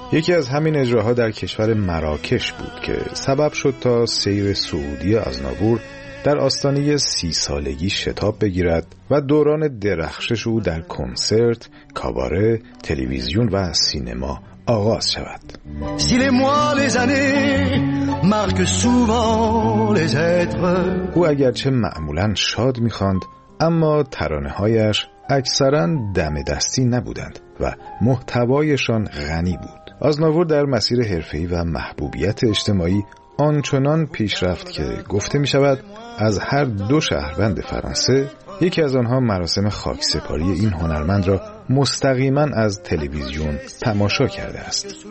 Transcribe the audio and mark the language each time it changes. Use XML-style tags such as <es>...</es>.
<fa>یکی از همین اجراها در کشور مراکش بود که سبب شد تا سیر سعودی ازنور در آستانه 30 سالگی شتاب بگیرد و دوران درخشش او در کنسرت، کاباره، تلویزیون و سینما آغاز شود.</fa> <fr>Si les mois les années marquent souvent les êtres.</fr> <fa>او اگرچه معمولاً شاد می‌خواند، اما ترانه‌هایش اکثراً دم دستی نبودند و محتوایشان غنی بود. ازنور در مسیر حرفه‌ای و محبوبیت اجتماعی آنچنان پیشرفت که گفته می‌شود از هر 2 شهروند فرانسه یکی از آنها مراسم خاکسپاری این هنرمند را مستقیماً از تلویزیون تماشا کرده است.</fa>